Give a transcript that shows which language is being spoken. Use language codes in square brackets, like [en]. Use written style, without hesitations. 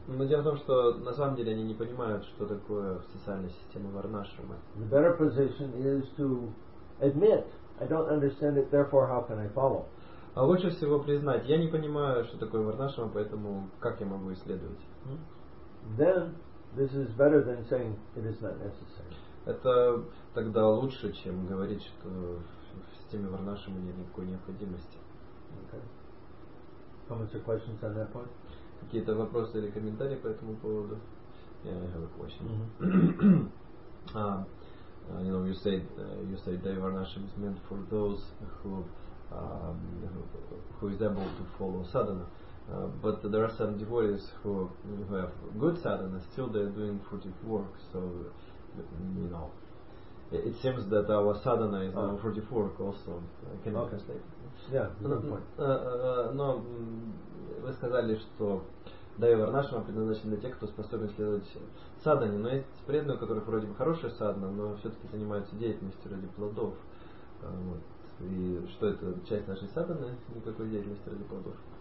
[ru] Но дело в том, что на самом деле они не понимают, что такое социальная система варнашрама. [en] The better position is to admit, I don't understand it, therefore how can I follow? [ru] А лучше всего признать, я не понимаю, что такое варнашрама, поэтому как я могу исследовать? [en] Then this is better than saying it is not necessary. [ru] Это тогда лучше, чем говорить, что в системе варнашрама нет никакой необходимости. [en] Okay. Comments or questions on that point? [ru] Какие-то вопросы или комментарии по этому поводу? [en] Yeah, I have a question. You know, you said that varnashrama is meant for those who is able to follow sadhana. But there are some devotees who have good sadhana, still they are doing fruitive work, so, you know, it seems that our sadhana is now fruitive work also. Can you translate? Yeah, good point. [ru] Но вы сказали, что Дайя Варнашрама предназначена для тех, кто способен следовать садхане, но есть преданные, у которых вроде бы хорошая садхана, но все-таки занимаются деятельностью ради плодов. И что это, часть нашей садханы, никакой деятельности ради плодов?